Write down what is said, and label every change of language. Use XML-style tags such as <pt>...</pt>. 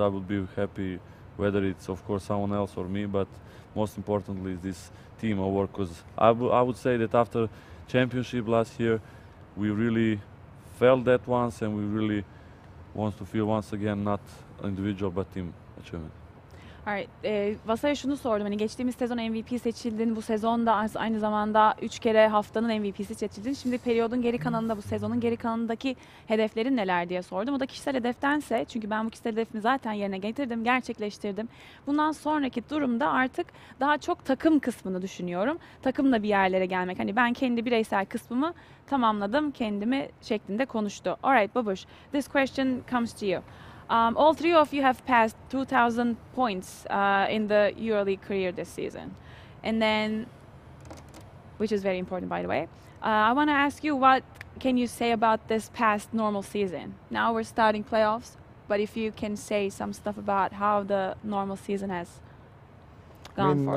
<en>I would be happy whether it's of course someone else or me, but most importantly is this team award, because I would say that after championship last year we really felt that once and we really want to feel once again not individual but team achievement.</en> <tr>Vasa'ya şunu sordum. Hani geçtiğimiz sezon MVP seçildin. Bu sezonda aynı zamanda 3 kere haftanın MVP'si seçildin. Şimdi periyodun geri kalanında, bu sezonun geri kalanındaki hedeflerin neler diye sordum. O da kişisel hedeftense, çünkü ben bu kişisel hedefimi zaten yerine getirdim, gerçekleştirdim. Bundan sonraki durumda artık daha çok takım kısmını düşünüyorum. Takımla bir yerlere gelmek. Hani ben kendi bireysel kısmımı tamamladım kendimi şeklinde konuştu.</tr> <en>Alright, Babush, this question comes to you. All three of you have passed 2,000 points in the EuroLeague career this season, and then, which is very important, by the way. I want to ask you, what can you say about this past normal season? Now we're starting playoffs, but if you can say some stuff about how the normal season has gone for</en>